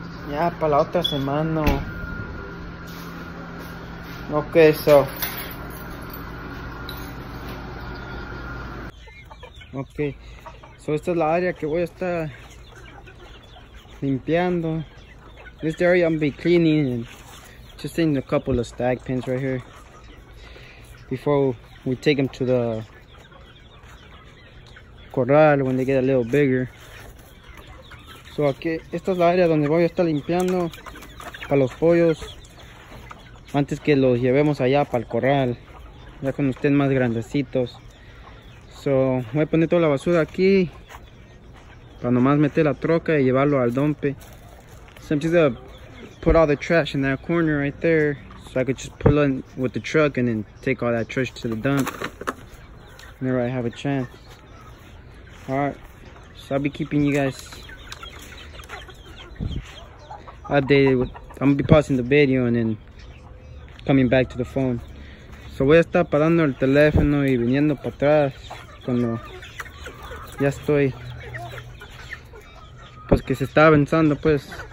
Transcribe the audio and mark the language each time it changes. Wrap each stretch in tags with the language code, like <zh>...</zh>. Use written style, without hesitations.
<es>Ya para la otra semana.</es> <en>Ok, so.</en> <es>Ok, so esta es la área que voy a estar limpiando.</es> <en>This area I'm be cleaning and just in a couple of stag pens right here before we take them to the corral when they get a little bigger.</en> <es>So aquí, esta es la área donde voy a estar limpiando para los pollos antes que los llevemos allá para el corral, ya cuando estén más grandecitos. So voy a poner toda la basura aquí para nomás meter la troca y llevarlo al dompe.</es> <en>So I'm just gonna put all the trash in that corner right there so I could just pull in with the truck and then take all that trash to the dump whenever I have a chance. Alright, so I'll be keeping you guys updated with, I'm gonna be pausing the video and then coming back to the phone.</en> <es>So voy a estar parando el teléfono y viniendo para atrás cuando ya estoy, pues que se está avanzando pues.</es>